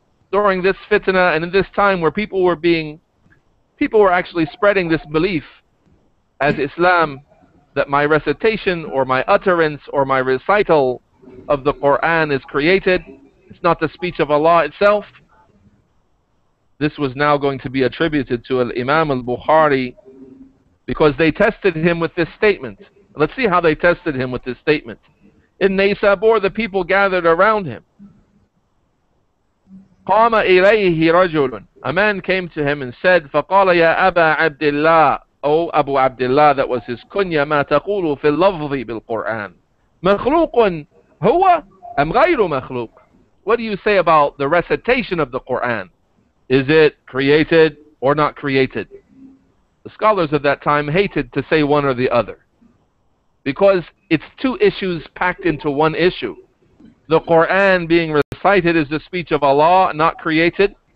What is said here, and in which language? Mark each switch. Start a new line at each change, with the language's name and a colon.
English: During this fitna and in this time where people were actually spreading this belief as Islam, that my recitation or my utterance or my recital of the Qur'an is created, it's not the speech of Allah itself. This was now going to be attributed to Al-Imam Al-Bukhari because they tested him with this statement. Let's see how they tested him with this statement. In Naysabur, the people gathered around him.
Arabic: قَامَ إِلَيْهِ رَجُلٌ.
English: A man came to him and said,
Arabic: فَقَالَ يَا أَبَا عَبْدِ اللَّهِ. أو أبو عبد الله
English: that was his kunya
Arabic: ما تقول في اللفظ بالقرآن مخلوق هو أم غير مخلوق.
English: What do you say about the recitation of the Quran? Is it created or not created? The scholars of that time hated to say one or the other, because it's two issues packed into one issue. The Quran being recited is the speech of Allah, not created.